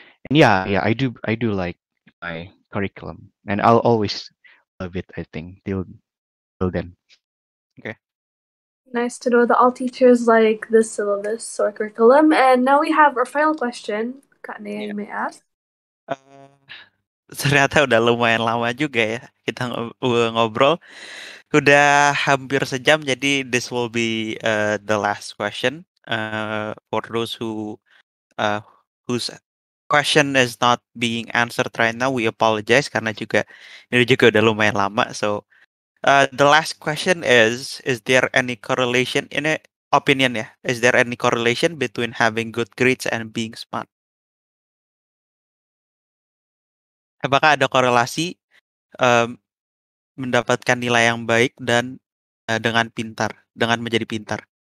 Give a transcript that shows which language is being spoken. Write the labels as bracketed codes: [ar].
[en] And yeah, I do like my curriculum, and I'll always love it, I think, till then. Okay. Nice to know that all teachers like the syllabus or curriculum. And now we have our final question, Kak Nea, you may ask. [id] Ternyata udah lumayan lama juga ya kita ngobrol. Udah hampir sejam, jadi [en] this will be the last question for those whose question is not being answered right now. We apologize [id] karena juga ini juga udah lumayan lama. [en] So the last question is there any correlation in it? Opinion ya, is there any correlation between having good grades and being smart? [id] Apakah ada korelasi mendapatkan nilai yang baik dan dengan menjadi pintar?